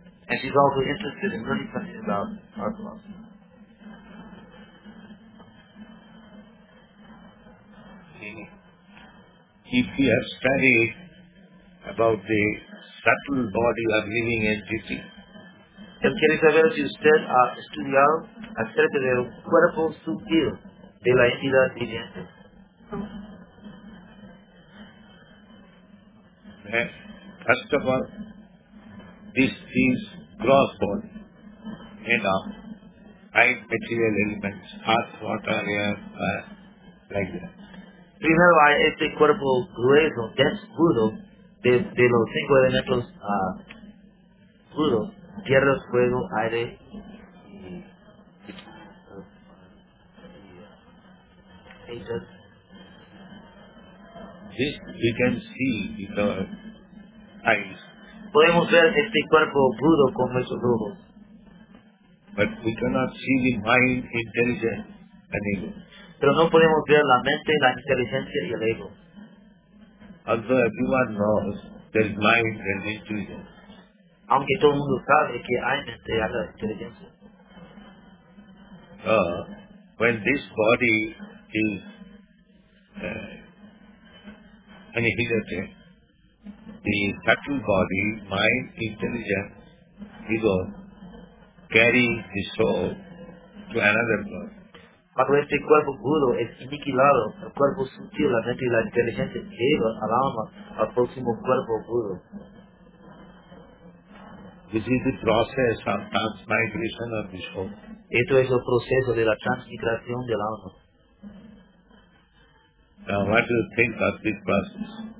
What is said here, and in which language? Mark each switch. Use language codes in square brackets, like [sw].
[en] And she's also interested in learning something about our philosophy. If we have studied about the subtle body of living entity, [es] el quiere saber si usted ha estudiado acerca del cuerpo sutil de la entidad viviente. [en] First of all, this is gross body. Made of five material elements, earth, water, air, like that. [es] Primero hay este cuerpo grueso, desnudo, de los cinco elementos crudos: tierra, fuego, aire y [en] this we can see with our eyes. [es] Podemos ver este cuerpo crudo con nuestros ojos. [en] But we cannot see the mind, intelligence, and ego. [es] Pero no podemos ver la mente, la inteligencia y el ego. [en] Although everyone knows there's mind and intelligence. [es] Aunque todo el mundo sabe que hay mente y la inteligencia. [en] When this body is annihilated, the subtle body, mind, intelligence, ego, carry the soul to another body. [es] Cuando este cuerpo crudo es aniquilado, el cuerpo sutil, la mente y la inteligencia lleva al alma al próximo cuerpo crudo. [en] This is the process of transmigration of the soul. [es] Esto es el proceso de la transmigración del alma. [en] Now, what do you think of this process?